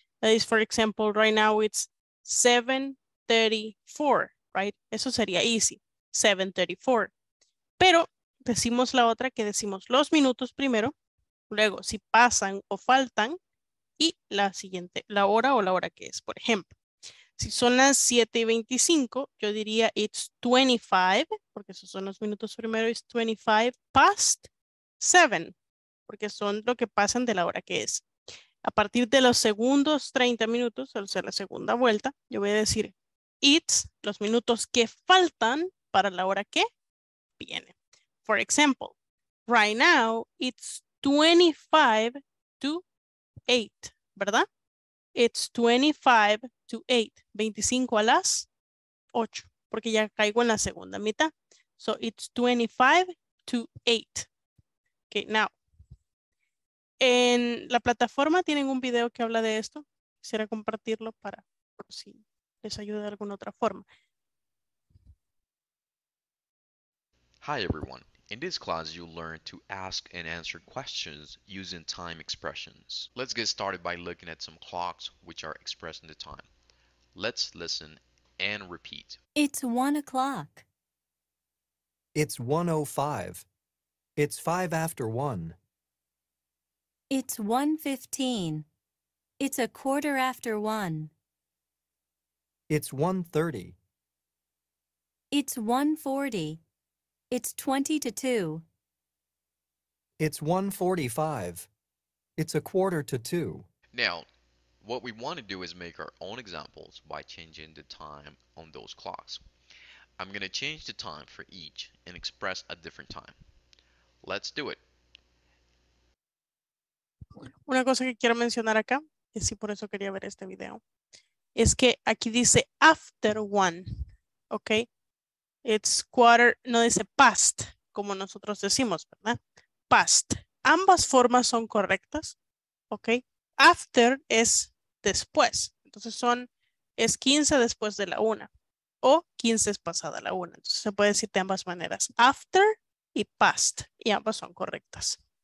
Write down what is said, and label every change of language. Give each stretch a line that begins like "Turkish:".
English: That is, for example, right now it's 7:34, right?
Spanish: Eso sería easy, 7:34. Pero decimos la otra, que decimos los minutos primero, luego, si pasan o faltan, y la siguiente, la hora o la hora que es. Por ejemplo, si son las 7:25, yo diría it's 25, porque esos son los minutos primero,
English: it's 25 past 7,
Spanish: porque son lo que pasan de la hora que es. A partir de los segundos 30 minutos, o sea, la segunda vuelta, yo voy a decir it's los minutos que faltan para la hora que viene.
English: For example, right now it's 25 to 8, ¿verdad? It's 25 to 8,
Spanish: 25 a las 8, porque ya caigo en la segunda mitad.
English: So it's 25 to 8. Okay, now,
Spanish: en la plataforma tienen un video que habla de esto. Quisiera compartirlo para, por si les ayuda de alguna otra forma.
English: Hi everyone. In this class, you'll learn to ask and answer questions using time expressions. Let's get started by looking at some clocks which are expressing the time. Let's listen and repeat. It's 1 o'clock. It's 1:05. It's 1:05. It's 1:15. It's 1:15. It's 1:30. It's 1:40. It's 1:40. It's 1:45. It's a quarter to two. Now, what we want to do is make our own examples by changing the time on those clocks. I'm going to change the time for each and express a different time. Let's do it.
Spanish: Una cosa que quiero mencionar acá, y sí por eso quería ver este video, es que aquí dice
English: after one,
Spanish: ¿ok?
English: It's quarter,
Spanish: no dice past, como nosotros decimos, ¿verdad? Past. Ambas formas son correctas, ¿ok? After es después, entonces es 15 después de la una, o 15 es pasada la una, entonces se puede decir de ambas maneras, after y past, y ambas son correctas.